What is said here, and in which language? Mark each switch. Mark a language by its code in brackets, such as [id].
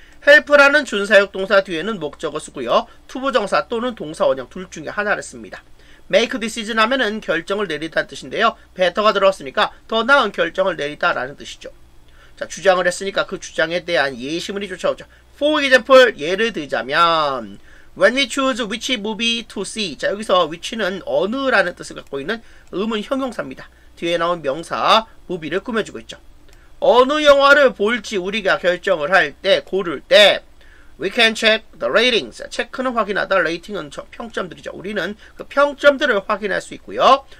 [ko] help라는 준사역 동사 뒤에는 목적어 쓰고요. 투부정사 또는 동사원형 둘 중에 하나를 씁니다. [en] make decision [ko] 하면은 결정을 내리다 뜻인데요. better가 들어왔으니까 더 나은 결정을 내리다라는 뜻이죠. 자, 주장을 했으니까 그 주장에 대한 예시문이 쫓아오죠. [en] For example, [ko] 예를 들자면 [en] When we choose which movie to see. [ko] 자, 여기서 which는 어느라는 뜻을 갖고 있는 의문 형용사입니다. 뒤에 나온 명사 movie를 꾸며주고 있죠. 어느 영화를 볼지 우리가 결정을 할 때, 고를 때 [en] We can check the ratings. [ko] 체크는 확인하다, rating은 평점들이죠. 우리는 그 평점들을 확인할 수 있고요.